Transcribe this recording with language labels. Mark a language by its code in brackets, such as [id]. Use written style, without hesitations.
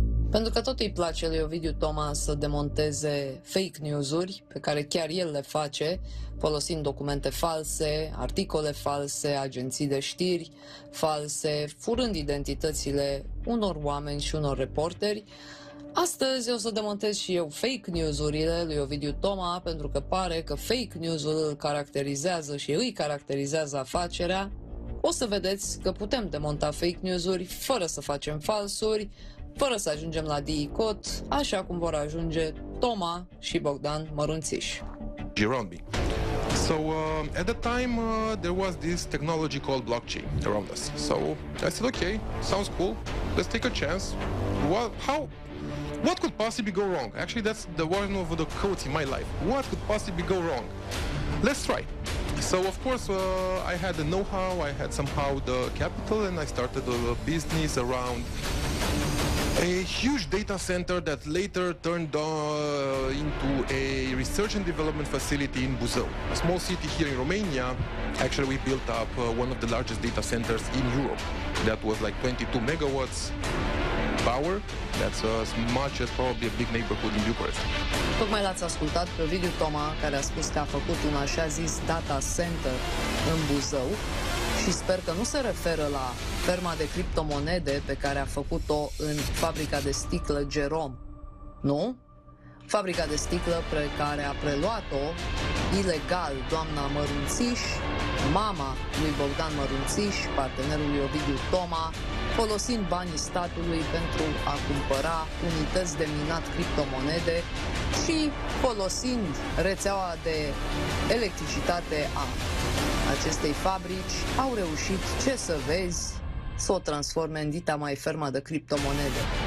[ro] Pentru că tot îi place lui Ovidiu Toma să demonteze fake news-uri pe care chiar el le face, folosind documente false, articole false, agenții de știri false, furând identitățile unor oameni și unor reporteri, astăzi o să demontez și eu fake news-urile lui Ovidiu Toma, pentru că pare că fake news-ul îl caracterizează și îi caracterizează afacerea. O să vedeți că putem demonta fake news-uri fără să facem falsuri, fără să ajungem la DIICOT, așa cum vor ajunge Toma și Bogdan Mărunțiș. [en] So at the time there was this technology called blockchain around us. So I said okay, sounds cool. Let's take a chance. What could possibly go wrong? Actually that's the one of the quotes in my life. What could possibly go wrong? Let's try. So of course I had the know-how, I had somehow the capital and I started a business around a huge data center that later turned into a research and development facility in Buzău, a small city here in Romania. Actually, we built up one of the largest data centers in Europe. That was like 22 megawatts power. That's as much as probably a big neighborhood in Bucharest. [ro] Tocmai l-ați ascultat pe Ovidiu Toma, care a spus că a făcut un așa zis data center în Buzău. Și sper că nu se referă la ferma de criptomonede pe care a făcut-o în fabrica de sticlă Jerome, nu? Fabrica de sticlă pe care a preluat-o ilegal doamna Mărunțiș, mama lui Bogdan Mărunțiș, partenerul lui Ovidiu Toma, folosind banii statului pentru a cumpăra unități de minat criptomonede și folosind rețeaua de electricitate a acestei fabrici, au reușit, ce să vezi, să o transforme în dita mai fermă de criptomonede.